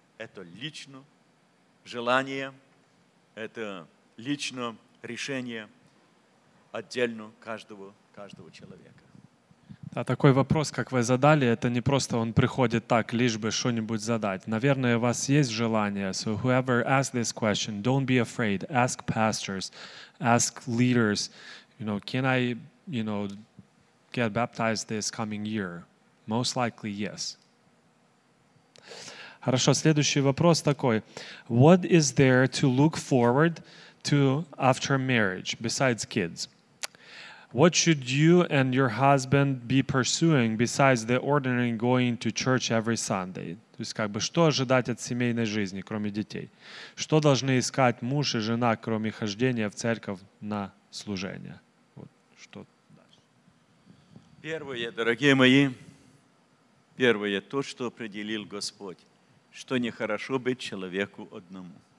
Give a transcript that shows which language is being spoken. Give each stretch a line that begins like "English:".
Russian: Это лично желание, это лично решение отдельно каждого, каждого человека. Да, такой вопрос, как вы задали, это не просто он приходит так, лишь бы что-нибудь задать. Наверное, у вас есть желание.
English: So whoever asked this question, don't be afraid. Ask pastors, ask leaders, you know, can I, you know, get baptized this coming year? Most likely, yes.
Russian: Хорошо, следующий вопрос такой.
English: What is there to look forward to after marriage, besides kids? What should you and your husband be pursuing besides the ordinary going to church every Sunday?
Russian: То есть, как бы, что ожидать от семейной жизни, кроме детей? Что должны искать муж и жена, кроме хождения в церковь на служение? Вот, что дальше? Первое, дорогие мои, первое, то, что определил Господь, что нехорошо быть человеку одному.